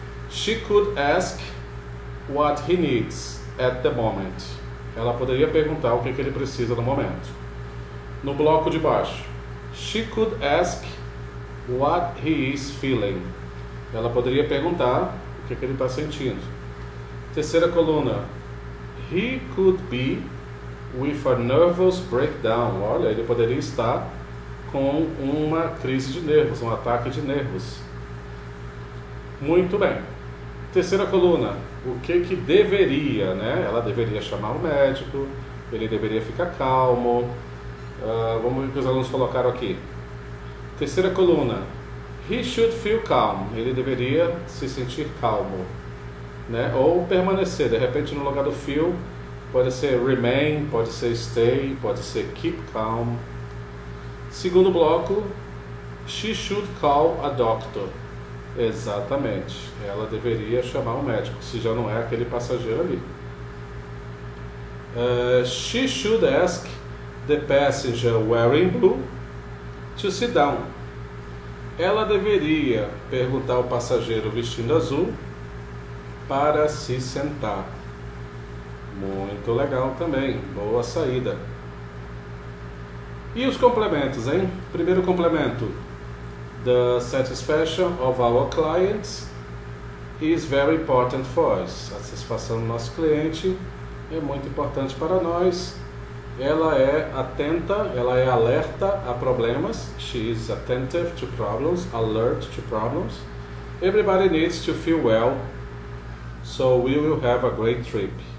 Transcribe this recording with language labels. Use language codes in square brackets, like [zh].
[en] She could ask what he needs at the moment. [pt] Ela poderia perguntar o que que ele precisa no momento. No bloco de baixo, [en] she could ask what he is feeling. [pt] Ela poderia perguntar o que, é que ele está sentindo. Terceira coluna, [en] he could be with a nervous breakdown. [pt] Olha, ele poderia estar com uma crise de nervos, um ataque de nervos. Muito bem. Terceira coluna, o que deveria, né? Ela deveria chamar o médico, ele deveria ficar calmo. Vamos ver o que os alunos colocaram aqui. Terceira coluna, [en] he should feel calm. [pt] Ele deveria se sentir calmo, né? Ou permanecer, de repente no lugar do feel pode ser remain, pode ser stay, pode ser keep calm. Segundo bloco, [en] she should call a doctor. [pt] Exatamente, ela deveria chamar um médico, se já não é aquele passageiro ali. [en] She should ask the passenger wearing blue to sit down. [pt] Ela deveria perguntar ao passageiro vestindo azul para se sentar. Muito legal também, boa saída. E os complementos, hein? Primeiro complemento: [en] the satisfaction of our clients is very important for us. [pt] A satisfação do nosso cliente é muito importante para nós. Ela é atenta, ela é alerta a problemas. [en] She is attentive to problems, alert to problems. Everybody needs to feel well, so we will have a great trip.